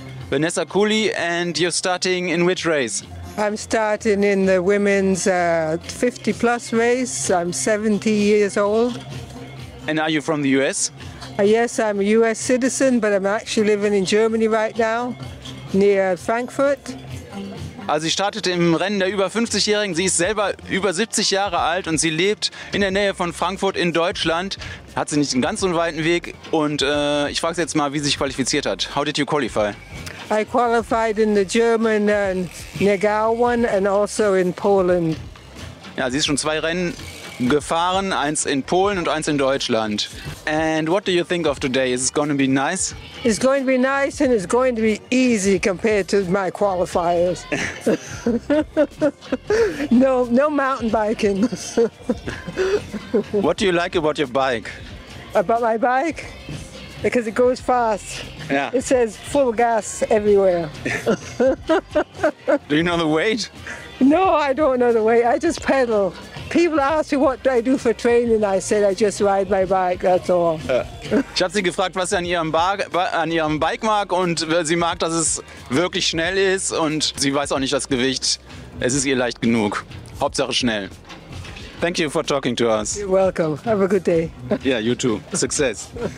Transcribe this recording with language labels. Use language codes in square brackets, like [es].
[en] Vanessa Cooley, and you're starting in which race? I'm starting in the women's 50-plus race. I'm 70 years old. And are you from the US? Yes, I'm a US citizen, but I'm actually living in Germany right now, near Frankfurt. [de] Also sie startet im Rennen der über 50-Jährigen. Sie ist selber über 70 Jahre alt und sie lebt in der Nähe von Frankfurt in Deutschland. Hat sie nicht einen ganz so weiten Weg. Und ich frage sie jetzt mal, wie sie sich qualifiziert hat. [en] How did you qualify? I qualified in the German Nagao one and also in Poland. [de] Ja, sie ist schon zwei Rennen gefahren, eins in Polen und eins in Deutschland. [en] And what do you think of today? Is it going to be nice? It's going to be nice and it's going to be easy compared to my qualifiers. No mountain biking. What do you like about your bike? About my bike? Because it goes fast. Yeah. It says full gas everywhere. Do you know the weight? No, I don't know the weight. I just pedal. People ask me, what do I do for training? I said, I just ride my bike, that's all. [de] Ich habe sie gefragt, was sie an ihrem Bike mag, und sie mag, dass es wirklich schnell ist, und sie weiß auch nicht das Gewicht. Es ist ihr leicht genug. Hauptsache schnell. [en] Thank you for talking to us. You're welcome. Have a good day. Yeah, you too. Success.